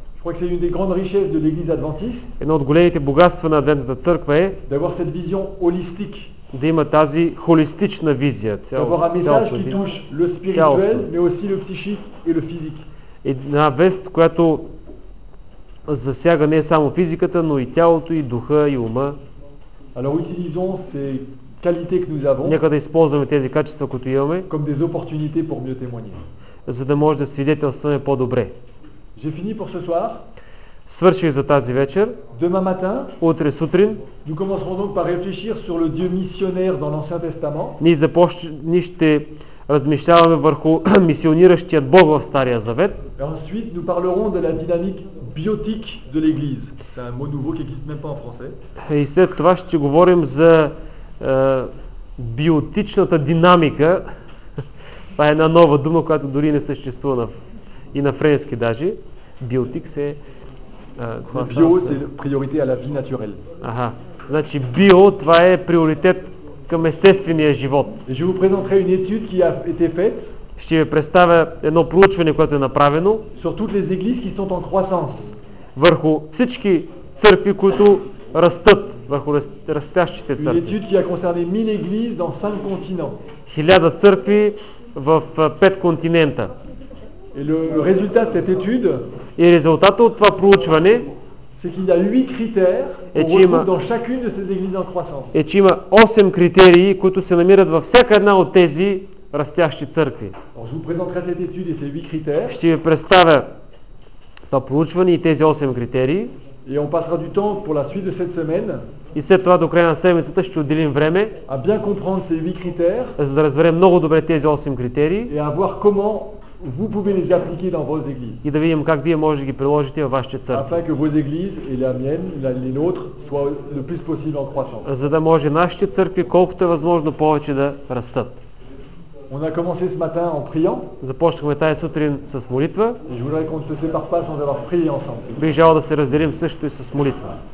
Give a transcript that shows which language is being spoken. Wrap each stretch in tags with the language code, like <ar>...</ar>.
<fr>Je crois que c'est une des grandes richesses de l'église adventiste.</fr> <bg>Едно от големите богатства на адвентната църква е</bg> <fr>d'avoir cette vision holistique.</fr> <bg>Да има тази холистична визия,</bg> <fr>d'avoir un message qui touche le spirituel, mais aussi le psychique et le physique.</fr> <bg>Една вест, която засяга не само физиката, но и тялото, и духа, и ума.</bg> <fr>Alors utilisons ces qualités que nous avons.</fr> <bg>Нека да използваме тези качества, които имаме.</bg> <fr>Comme des opportunités pour mieux témoigner.</fr> <bg>За да може да свидетелстваме по-добре.</bg> <fr>J'ai fini pour ce soir.</fr> <bg>Свърших за тази вечер.</bg> <fr>Demain matin.</fr> <bg>Утре сутрин.</bg> <fr>Nous commencerons donc par réfléchir sur le Dieu missionnaire dans l'Ancien Testament.</fr> <bg>Ние ще размишляваме върху мисиониращият Бог в Стария Завет.</bg> <fr>Et ensuite nous parlerons de la dynamique biotique de l'église. C'est un mot nouveau qui n'existe même pas en français.</fr> <bg>И след това ще говорим за биотичната динамика. Това е една нова дума, която дори не съществува в и на френски даже. Биотик се... Био е приоритет на ви натурел. Ага. Значи био, това е приоритет към естествения живот.</bg> <fr>Je vous présenterai une étude qui a été faite.</fr> <bg>Ще ви представя едно проучване, което е направено.</bg> <fr>Sur toutes les églises qui sont en croissance.</fr> <bg>Върху всички църкви, които растат, върху растящите църкви.</bg> <fr>Une étude qui a concerné 1000 églises dans 5 continents.</fr> <bg>1000 църкви в 5 континента.</bg> <fr>Et le résultat de cette étude,</fr> <bg>и резултатът от това проучване</bg> <fr>c'est qu'il y a 8 critères et qu'on retrouve dans chacune de ces églises en croissance. Et qu'il y a</fr> <bg>8 критерии, които се намират във всяка една от тези растящи църкви.</bg> <fr>Alors, je vous présenterai cette étude et ces 8 critères.</fr> <bg>Ще ви представя това проучване и тези 8 критерии.</bg> <fr>Et on passera du temps pour la suite de cette semaine.</fr> <bg>И след това до края на седмицата ще отделим време</bg> <fr>à bien comprendre ces 8 critères.</fr> <bg>За да разберем много добре тези 8 критерии.</bg> <fr>Et à voir comment vous pouvez les appliquer dans vos églises.</fr> <bg>И да видим как вие можете да ги приложите във вашите църкви.</bg> <fr>Afin que vos églises et la mienne, la nôtre, soient le plus possible en croissance.</fr> <bg>За да може нашите църкви колкото е възможно повече да растат.</bg> <fr>On a commencé ce matin en priant.</fr> <bg>Започнахме тази сутрин с молитва.</bg> <fr>Je voudrais qu'on se sépare pas sans avoir prié ensemble.</fr> <bg>Бих желал да се разделим също и с молитва.</bg>